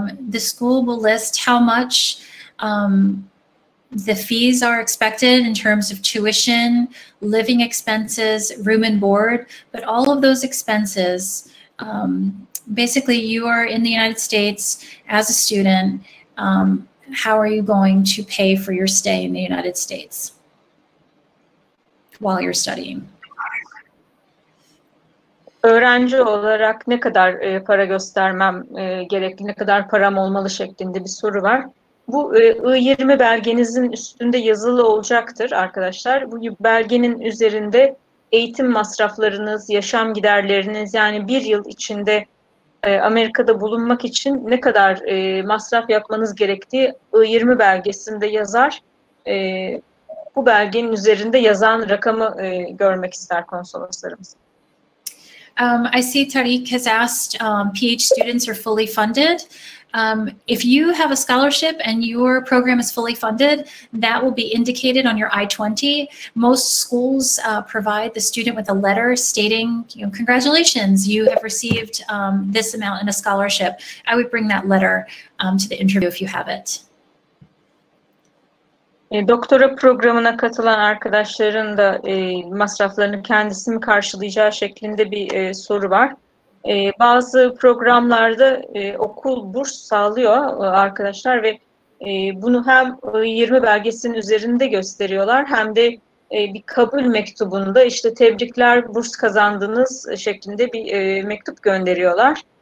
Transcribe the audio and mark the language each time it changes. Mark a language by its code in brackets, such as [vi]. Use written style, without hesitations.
[en] The school will list how much the fees are expected in terms of tuition, living expenses, room and board, but all of those expenses, basically you are in the United States as a student. How are you going to pay for your stay in the United States while you're studying? [tr] Öğrenci olarak ne kadar para göstermem gerekli, ne kadar param olmalı şeklinde bir soru var. Bu I-20 belgenizin üstünde yazılı olacaktır arkadaşlar. Bu belgenin üzerinde eğitim masraflarınız, yaşam giderleriniz, yani bir yıl içinde Amerika'da bulunmak için ne kadar masraf yapmanız gerektiği I-20 belgesinde yazar. Bu belgenin üzerinde yazan rakamı görmek ister konsoloslarımız. [en] I see Tariq has asked PhD students are fully funded. If you have a scholarship and your program is fully funded, that will be indicated on your I-20. Most schools provide the student with a letter stating, you know, congratulations, you have received this amount in a scholarship. I would bring that letter to the interview if you have it. [tr] Doktora programına katılan arkadaşların da masraflarını kendisi mi karşılayacağı şeklinde bir soru var. Bazı programlarda okul burs sağlıyor arkadaşlar ve bunu hem 20 belgesinin üzerinde gösteriyorlar hem de bir kabul mektubunda işte tebrikler, burs kazandınız şeklinde bir mektup gönderiyorlar.